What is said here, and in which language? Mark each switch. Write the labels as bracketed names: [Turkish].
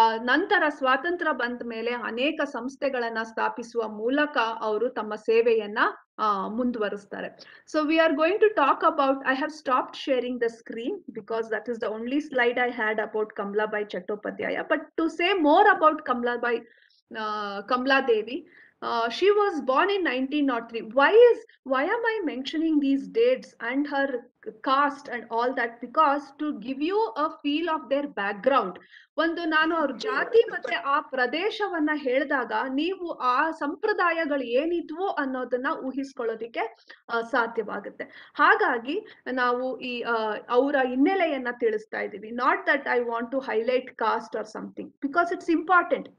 [Kannada] ನಂತರ ಸ್ವಾತಂತ್ರ್ಯ ಬಂದ ಮೇಲೆ ಅನೇಕ ಸಂಸ್ಥೆಗಳನ್ನ ಸ್ಥಾಪಿಸುವ ಮೂಲಕ ಅವರು ತಮ್ಮ ಸೇವೆಯನ್ನ ಮುಂದುವರಿಸ್ತಾರೆ. [English] So we are going to talk about, I have stopped sharing the screen because that is the only slide I had about Kamalabai Chattopadhyay. But to say more about Kamalabai Kamla Devi. She was born in 1903. Why am I mentioning these dates and her caste and all that? Because to give you a feel of their background. [Kannada] ಒಂದು ನಾನು ಅವ್ರ ಜಾತಿ ಮತ್ತೆ ಆ ಪ್ರದೇಶವನ್ನ ಹೇಳಿದಾಗ ನೀವು ಆ ಸಂಪ್ರದಾಯಗಳು ಏನಿದ್ವು ಅನ್ನೋದನ್ನ ಊಹಿಸ್ಕೊಳ್ಳೋದಿಕ್ಕೆ ಸಾಧ್ಯವಾಗುತ್ತೆ. ಹಾಗಾಗಿ ನಾವು ಈ ಅವರ ಹಿನ್ನೆಲೆಯನ್ನ ತಿಳಿಸ್ತಾ ಇದ್ದೀವಿ. [English] Not that I want to highlight caste or something, because it's important.